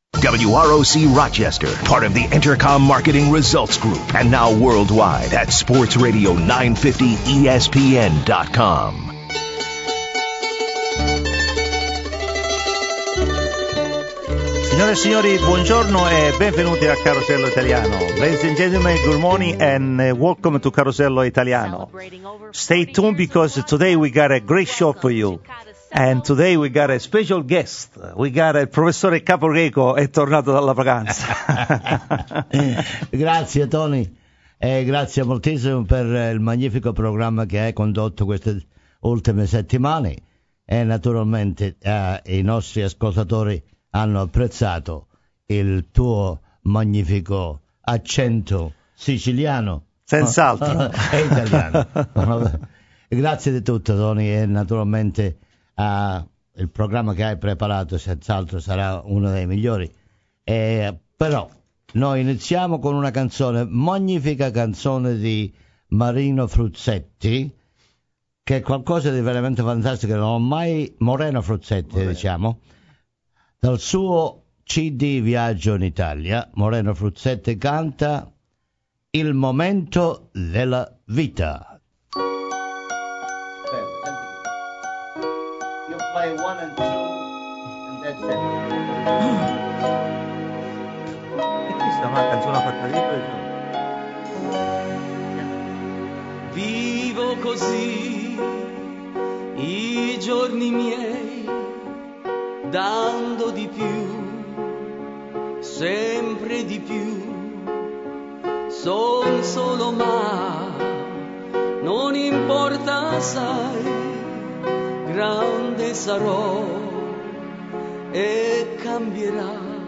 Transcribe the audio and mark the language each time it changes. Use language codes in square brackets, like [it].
[en] WROC Rochester, part of the Intercom Marketing Results Group, and now worldwide at sportsradio950espn.com. [it] Signore e signori, buongiorno e benvenuti a Carosello Italiano. [en] Ladies and gentlemen, good morning and welcome to Carosello Italiano. Stay tuned because today we got a great show for you. And today we got a special guest. We got [it] il professore Capo Greco, è tornato dalla vacanza. Grazie Tony e grazie moltissimo per il magnifico programma che hai condotto queste ultime settimane. E naturalmente i nostri ascoltatori hanno apprezzato il tuo magnifico accento siciliano. Senz'altro. E italiano. Grazie di tutto, Tony, e naturalmente il programma che hai preparato senz'altro sarà uno dei migliori. Però noi iniziamo con una canzone, magnifica canzone di Marino Fruzzetti, che è qualcosa di veramente fantastico, non ho mai... Moreno Fruzzetti, vabbè, diciamo. Dal suo CD Viaggio in Italia, Moreno Fruzzetti canta Il momento della vita. [en] You play one and two, and that's it. [it] E questa è una canzone fatta di più. Vivo così i giorni miei, dando di più, sempre di più, son solo ma non importa sai, grande sarò e cambierà.